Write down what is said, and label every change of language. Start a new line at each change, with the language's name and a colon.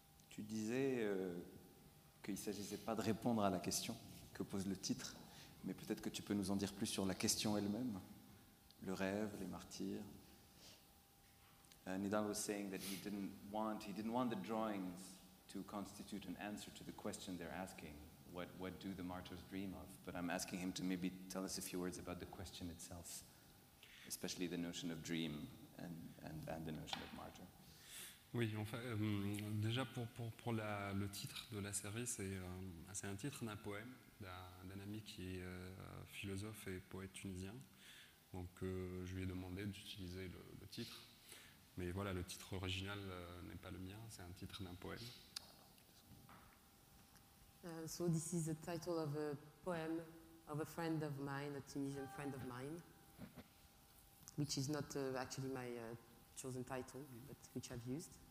French: Tu disais qu'il ne s'agissait pas de répondre à la question que pose le titre, mais peut-être que tu peux nous en dire plus sur la question elle-même, le rêve, les martyrs.
English: Nidal was saying that he didn't want the drawings to constitute an answer to the question they're asking, what do the martyrs dream of? But I'm asking him to maybe tell us a few words about the question itself, especially the notion of dream and the notion of martyr.
French: Oui, en fait, déjà pour le titre de la série, c'est un titre d'un poème d'un ami qui est philosophe et poète tunisien. Donc je lui ai demandé d'utiliser le titre. Mais voilà, le titre original n'est pas le mien, c'est un titre d'un poème.
English: So this is the title of a poem of a friend of mine, a Tunisian friend of mine, which is not actually my chosen title, but which I've used.